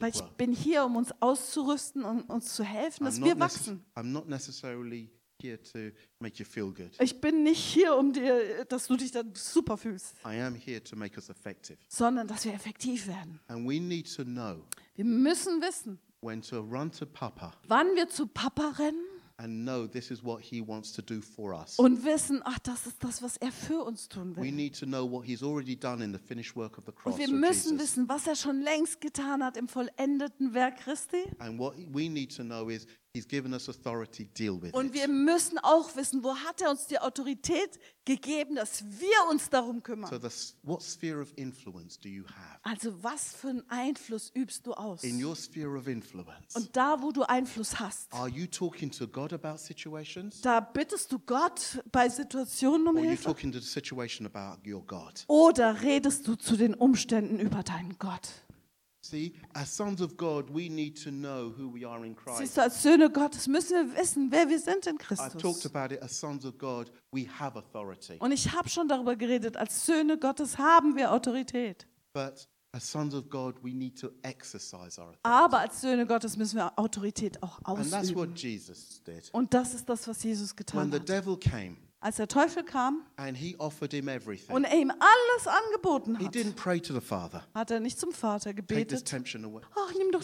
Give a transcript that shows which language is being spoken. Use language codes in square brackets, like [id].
[de] Weil ich bin hier, um uns auszurüsten und uns zu helfen, dass [en] I'm [de] wir wachsen. [en] I'm not necessarily here to make you feel good. [de] Ich bin nicht hier, um dir, dass du dich dann super fühlst. [en] I am here to make us effective. [de] Sondern dass wir effektiv werden. [en] And we need to know. [de] Wir müssen wissen. [en] When to run to Papa. [de] Wann wir zu Papa rennen. [en] And know this is what he wants to do for us. [de] Und wissen, ach, das ist das, was er für uns tun will. [en] We need to know what he's already done in the finished work of the cross. [de] Und wir müssen wissen, was er schon längst getan hat im vollendeten Werk Christi. [en] And what we need to know is he's given us authority, deal with [de] Und [en] it. [de] Wir müssen auch wissen, wo hat er uns die Autorität gegeben, dass wir uns darum kümmern. [en] So what sphere of influence do you have? [de] Also was für einen Einfluss übst du aus? [en] In your sphere of influence. [de] Und da, wo du Einfluss hast. [en] Are you talking to God about situations? [de] Da bittest du Gott bei Situationen um [en] Or [de] Hilfe? [en] Are you talking to the situation about your God? [de] Oder redest du zu den Umständen über deinen Gott? [en] See, as sons of God, we need to know who we are in Christ. [de] Siehst du, als Söhne Gottes müssen wir wissen, wer wir sind in Christus. [en] I've talked about it, as sons of God, we have authority. [de] Und ich habe schon darüber geredet, als Söhne Gottes haben wir Autorität. [en] But as sons of God, we need to exercise our authority. [de] Aber als Söhne Gottes müssen wir Autorität auch ausüben. [en] And that's what Jesus did. [de] Und das ist das, was Jesus getan hat. [en] When the devil came, [de] als der Teufel kam [en] and he offered him everything. [de] Und er ihm alles angeboten hat, [en] he didn't pray to the Father. [de] Hat er nicht zum Vater gebetet. [en] Take this temptation away. [de] Ach, nimm doch